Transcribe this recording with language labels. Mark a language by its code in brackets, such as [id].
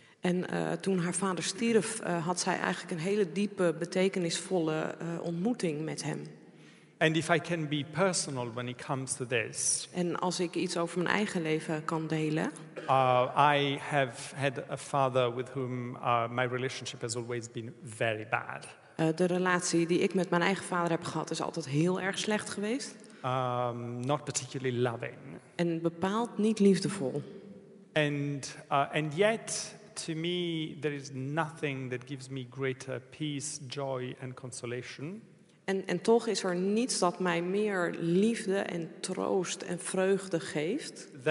[nl] En toen haar vader stierf, had zij eigenlijk een hele diepe, betekenisvolle ontmoeting met hem. [en] And if I can be personal when it comes to this. [nl] En als ik iets over mijn eigen leven kan delen. [en] I have had a father with whom my relationship has always been very bad. [nl] De relatie die ik met mijn eigen vader heb gehad is altijd heel erg slecht geweest. [en] Not particularly loving. [nl] En bepaald niet liefdevol. [en] And yet to me there is nothing that gives me greater peace, joy and consolation. [nl] En toch is er niets dat mij meer liefde en troost en vreugde geeft.